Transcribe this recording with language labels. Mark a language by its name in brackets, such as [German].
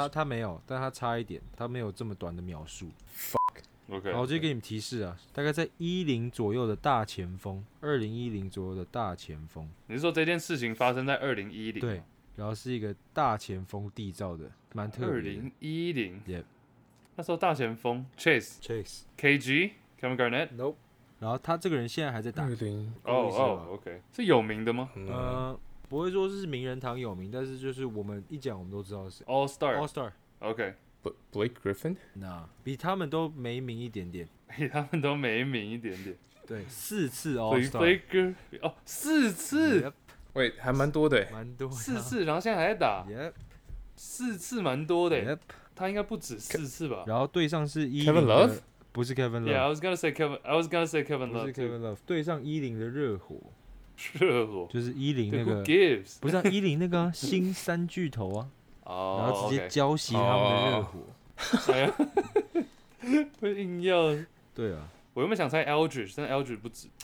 [Chinese] 啊、他没有，但他差一点，他没有这么短的秒数。 [English] Fuck， OK。 [Chinese] 好，我直接给你们提示啊，大概在10左右的大前锋，2010左右的大前锋。你是说这件事情发生在2010？对，然后是一个大前锋缔造的，蛮特别的。 2010， [English] yep。 [Chinese] 那时候大前锋 Chase KG Kevin Garnett， [English] Nope。 [Chinese] 然后他这个人现在还在打。 OK， 是有名的吗？不会说是名人堂有名，但是就是我们一讲，我们都知道是 [English] All Star。 All Star， OK。 Blake Griffin， [Chinese] 那、nah, 比他们都没名一点点，比他们都没名一点点。对，4次 All Star。哦，4次。 [English] Yep。 [Chinese] 喂，还蛮多的，蛮多的。4次，然后现在还在打。 [English] Yep。 [Chinese] 4次蛮多的。 [English] Yep。 [Chinese] 他应该不止4次吧？然后对上是 [English] Kevin Love， [Chinese] 不是 Kevin Love。 [English] Yeah， I was gonna say Kevin。I was gonna say Kevin Love。 [Chinese] 不是 Kevin Love， 对上10的热火。热火就是10那个， [English] gives? [Chinese] 不是10那个、啊、新三巨头啊， [English] oh, [Chinese] 然后直接浇熄他们的热火，哎呀，不硬要，对啊，我原本想猜 Eldridge， 但 Eldridge 不止，